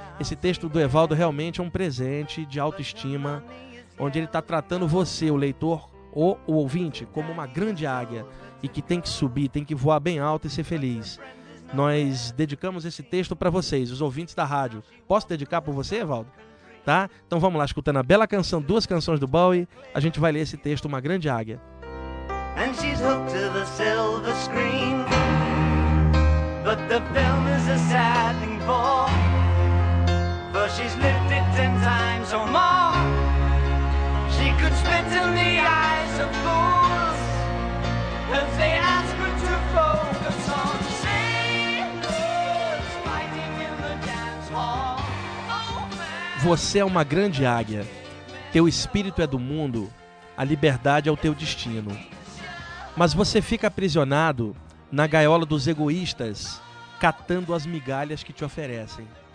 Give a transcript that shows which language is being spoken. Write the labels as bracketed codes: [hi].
[pt] Esse texto do Evaldo realmente é um presente de autoestima, onde ele está tratando você, o leitor ou o ouvinte, como uma grande águia e que tem que subir, tem que voar bem alto e ser feliz. Nós dedicamos esse texto para vocês, os ouvintes da rádio. Posso dedicar para você, Evaldo? Tá? Então vamos lá, escutando a bela canção, duas canções do Bowie, a gente vai ler esse texto, Uma Grande Águia. [en] And she's hooked to the silver screen, but the film is a sad thing for she's lived it 10 times or more. She could spit in the eyes of fools if they ask her to focus on sailors fighting in the dance hall. [pt] Oh, você é uma grande águia. Teu espírito é do mundo. A liberdade é o teu destino. Mas você fica aprisionado na gaiola dos egoístas, catando as migalhas que te oferecem.